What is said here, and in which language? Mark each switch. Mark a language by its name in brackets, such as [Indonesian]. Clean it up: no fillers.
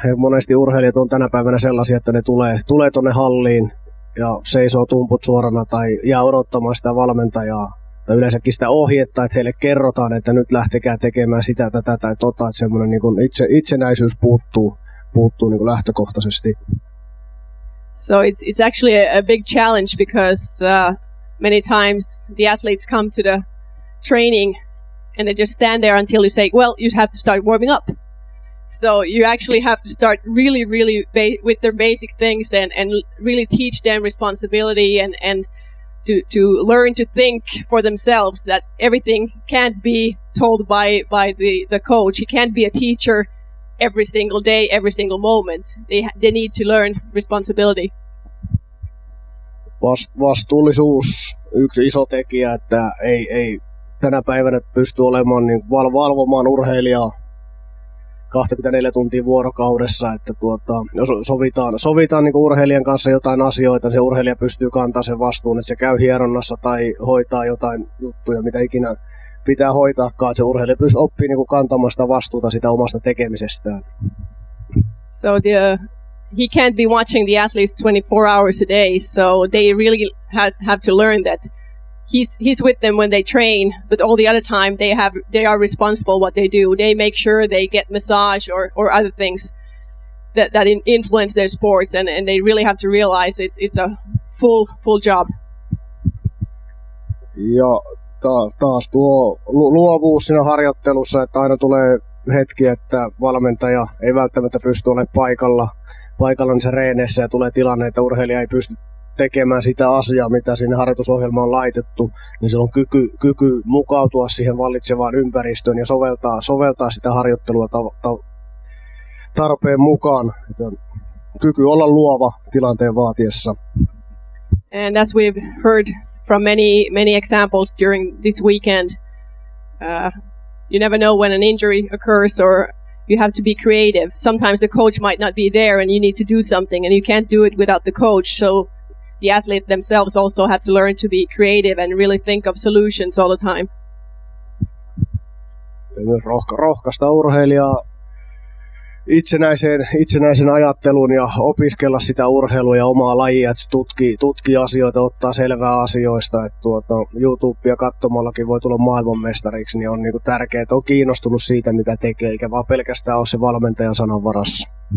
[Finnish] Ja monesti urheilijat on tänä päivänä sellaisia, että ne tulee tuonne halliin ja seisoo tumput suorana tai jää odottamaan sitä valmentajaa. Tai yleensäkin sitä ohjetta, että heille kerrotaan, että nyt lähtekää tekemään sitä, tätä tai tota. Että semmoinen niin kuin itsenäisyys puuttuu niin kuin lähtökohtaisesti. [English] So it's actually a big challenge because many times the athletes come to the training and they just stand there until you say, well, you have to start warming up. So you actually have to start really, really with their basic things and really teach them responsibility and to learn to think for themselves, that everything can't be told by the coach. He can't be a teacher every single day, every single moment. They need to learn responsibility. [Finnish] Vastuullisuus yksi iso tekijä, että ei tänä päivänä pysty olemaan niin valvomaan urheilijaa 24 tuntia vuorokaudessa, että jos sovitaan niin kuin urheilijan kanssa jotain asioita, niin se urheilija pystyy kantaa sen vastuun, että se käy hieronnassa tai hoitaa jotain juttuja, mitä ikinä pitää hoitaakaan, että se urheilija pystyy oppii niin kuin kantamaan sitä vastuuta sitä omasta tekemisestään. [English] So he can't be watching the athletes 24 hours a day, so they really have to learn that he's with them when they train, but all the other time they are responsible what they do. They make sure they get massage or other things. that influence their sports, and they really have to realize it's a full job. [Finnish] Ja taas tuo luovuus siinä harjoittelussa, että aina tulee hetki, että valmentaja ei välttämättä pysty olemaan paikalla niissä reeneissä, ja tulee tilanne, että urheilija ei pysty tekemään sitä asiaa, mitä siinä harjoitusohjelmaan on laitettu, niin sillä on kyky mukautua siihen vallitsevaan ympäristöön ja soveltaa sitä harjoittelua tarpeen mukaan, että kyky olla luova tilanteen vaatiessa. [English] And as we've heard from many examples during this weekend, you never know when an injury occurs, or you have to be creative. Sometimes the coach might not be there and you need to do something, and you can't do it without the coach, so the athlete themselves also have to learn to be creative and really think of solutions all the time. [Finnish] Rohkaista urheilijaa itsenäisen ajatteluun ja opiskella sitä urheilua ja omaa lajia, että tutkii asioita, ottaa selvää asioista, että YouTubea katsomallakin voi tulla maailmanmestariksi, niin on niinku tärkeää, että on kiinnostunut siitä, mitä tekee, eikä vaan pelkästään ole se valmentajan sanan varassa.